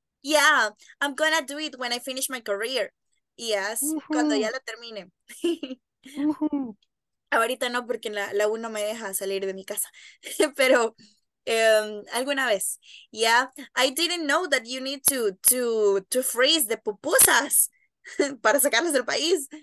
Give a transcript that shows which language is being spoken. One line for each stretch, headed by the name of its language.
English: Yeah, I'm gonna do it when I finish my career.
Spanish: Yes, cuando ya la termine. Ahorita no, porque la U no me deja salir de mi casa. Pero alguna vez.
English: Yeah, I didn't know that you need to freeze the pupusas
Spanish: para sacarlas del país.